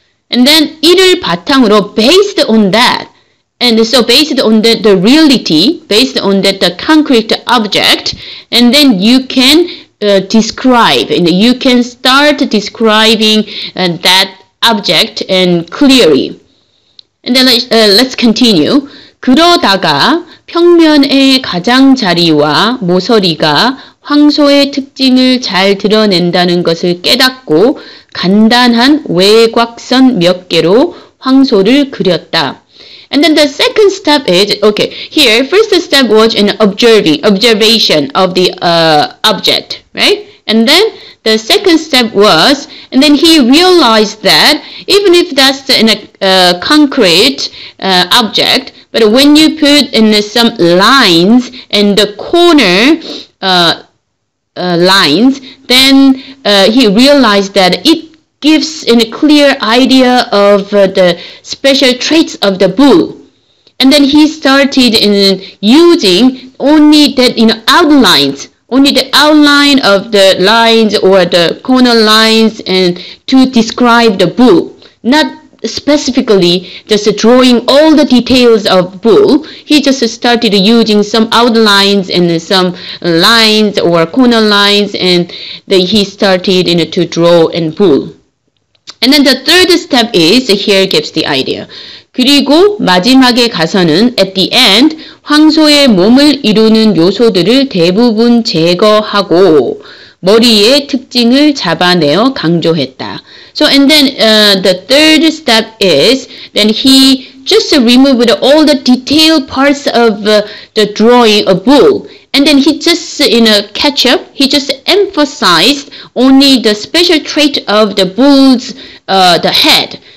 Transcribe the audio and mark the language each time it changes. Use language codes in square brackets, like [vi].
[en] And then, [ko] 이를 바탕으로, [en] based on that, and so based on the reality, based on that the concrete object, and then you can describe, and you can start describing that object and clearly. And then let's continue. [ko] 그러다가 평면의 가장자리와 모서리가 황소의 특징을 잘 드러낸다는 것을 깨닫고 간단한 외곽선 몇 개로 황소를 그렸다. [en] And then the second step is, okay, here, first step was an observation of the object, right? And then the second step was, and then he realized that even if that's in a concrete object, but when you put in some lines and the corner lines, then he realized that it gives a clear idea of the special traits of the bull. And then he started in using only that outlines, only the outline of the lines or the corner lines and to describe the bull, not specifically just drawing all the details of bull. He just started using some outlines and some lines or corner lines, and then he started to draw and bull. And then the third step is, here gives the idea. [ko] 그리고 마지막에 가서는 [en] at the end, [ko] 황소의 몸을 이루는 요소들을 대부분 제거하고 머리의 특징을 잡아내어 강조했다. [en] So and then the third step is, then he just removed all the detailed parts of the drawing of bull. And then he just, catch up, he just emphasized only the special trait of the bull's the head.